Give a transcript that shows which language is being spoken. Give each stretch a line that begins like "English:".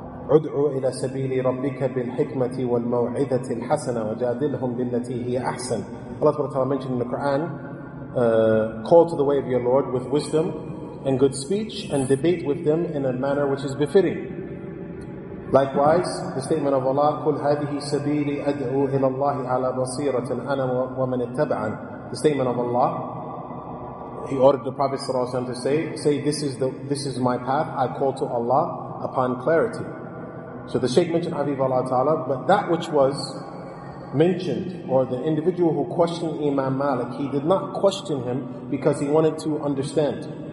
Arabic: عُدْعُوا إِلَى سَبِيلِ رَبِّكَ بِالْحِكْمَةِ وَالْمَوْعِدَةِ الْحَسَنَةِ وَجَادِلْهُمْ بِالَّتِي هِيَ أَحْسَنَ.
English: Allah ta'ala mentioned in the Quran, call to the way of your Lord with wisdom and good speech, and debate with them in a manner which is befitting. Likewise, the statement of Allah,
Arabic: قُلْ هَذِهِ سَبِيلِ أَدْعُوا إِلَى اللَّهِ عَلَى بَصِيرَةٍ أَنَا وَمَنِ اتَّبَعَنَ.
English: The statement of Allah, He ordered the Prophet ﷺ to say, this is my path, I call to Allah upon clarity. So the Shaykh mentioned Habib Allah Ta'ala, but that which was mentioned, or the individual who questioned Imam Malik, he did not question him because he wanted to understand.